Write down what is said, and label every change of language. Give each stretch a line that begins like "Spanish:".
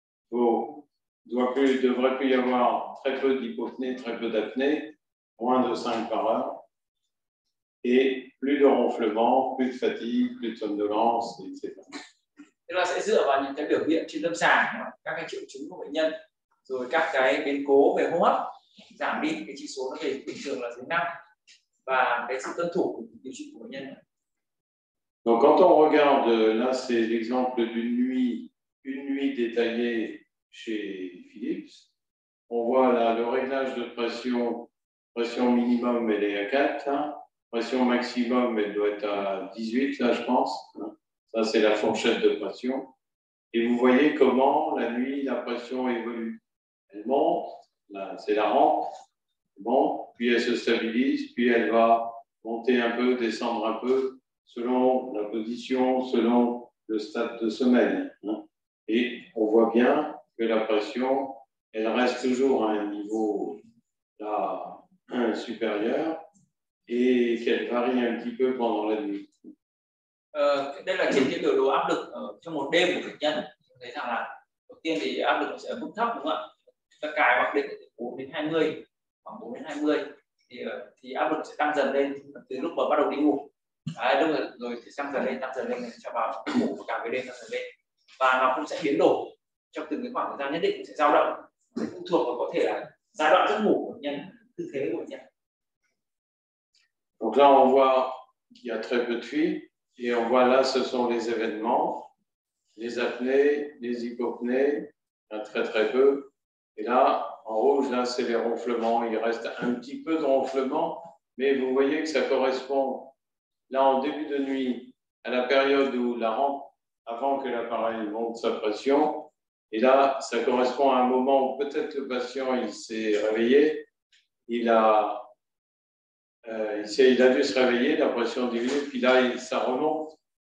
French: Il ne devrait plus y avoir très peu d'hypopnée, très peu d'apnée, moins de 5 par heure, et plus de ronflement, plus de fatigue, plus de somnolence, etc. Et
Vietnamese: là, sẽ dựa vào những cái biểu hiện trên lâm sàng, các cái triệu chứng của bệnh nhân, rồi các cái biến cố về hô hấp. Giảm đi cái chỉ số nó về bình thường là dưới 5 và cái sự tuân thủ của điều trị của bệnh nhân.
French: Donc quand on regarde là c'est l'exemple d'une nuit, une nuit détaillée chez Philips, on voit là le réglage de pression, pression minimum elle est à 4, hein. Pression maximum elle doit être à 18 là je pense, hein. Ça c'est la fourchette de pression et vous voyez comment la nuit la pression évolue, elle monte. Là, c'est la rampe, bon, puis elle se stabilise, puis elle va monter un peu, descendre un peu, selon la position, selon le stade de sommeil. Hein. Et on voit bien que la pression, elle reste toujours à un niveau là, supérieur et qu'elle varie un petit peu pendant la nuit.
Vietnamese: Đây là trên cái biểu đồ áp lực trong một đêm của bệnh nhân. Thấy rằng là đầu tiên thì áp lực sẽ ở mức thấp đúng không ạ? Ta cài mặc định từ 4 đến 20, khoảng 4 đến 20 thì áp lực sẽ tăng dần lên từ lúc mà bắt đầu đi ngủ. Đấy, đúng rồi thì tăng dần lên cho vào ngủ và cả về đêm tăng dần lên, và nó cũng sẽ biến đổi trong từng cái khoảng thời gian nhất định, sẽ dao động phụ thuộc vào có thể là giai đoạn giấc ngủ của nhân, tư thế của nhân.
French: Donc là on voit qu'il y a très peu de fuite et on voit là ce sont les événements, les apnées, les hypopnées, là, très très peu. Et là, en rouge, là, c'est les ronflements. Il reste un petit peu de ronflement, mais vous voyez que ça correspond, là, en début de nuit, à la période où la rampe, avant que l'appareil monte sa pression, et là, ça correspond à un moment où peut-être le patient, il s'est réveillé, il a dû se réveiller, la pression diminue, puis là, ça remonte.